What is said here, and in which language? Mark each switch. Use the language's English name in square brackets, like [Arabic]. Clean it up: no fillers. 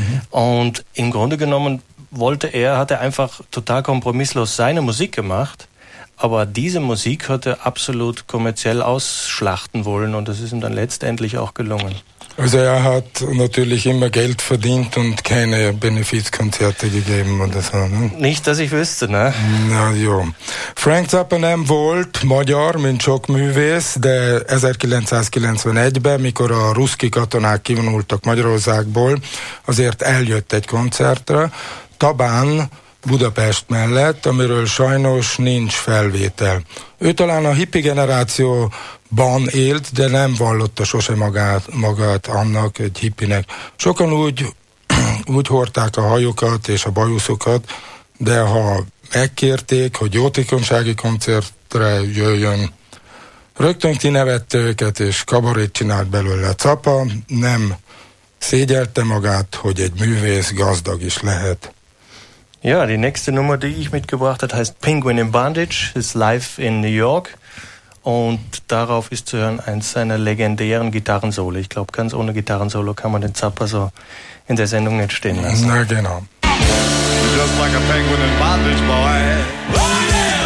[German] Und im Grunde genommen hat er einfach total kompromisslos seine Musik gemacht, aber diese Musik hat er absolut kommerziell ausschlachten wollen und das ist ihm dann letztendlich auch gelungen. Also er hat natürlich immer Geld verdient und keine Benefizkonzerte gegeben oder so. Ne? Nicht, dass ich wüsste, ne? Na jo. [Hungarian] Frank Zappa nem volt maďar, mint sok művész, de 1991-ben, mikor a ruszki katonák kivonultak Magyarországból, azért eljött egy koncertre, Tabán Budapest mellett, amiről sajnos nincs felvétel. Ő talán a hippi generációban élt, de nem vallotta sose magát annak, egy hippinek. Sokan úgy hordták a hajukat és a bajuszokat, de ha megkérték, hogy jótékonysági koncertre jöjjön, rögtön kinevette őket, és kabarét csinált belőle. Zappa nem szégyelte magát, hogy egy művész gazdag is lehet. [German] Ja, die nächste Nummer, die ich mitgebracht habe, heißt Penguin in Bandage, ist live in New York und darauf ist zu hören eins seiner legendären Gitarrensolo. Ich glaube, ganz ohne Gitarrensolo kann man den Zappa so in der Sendung nicht stehen lassen. Na genau. [English] Just like a penguin in bandage, boy.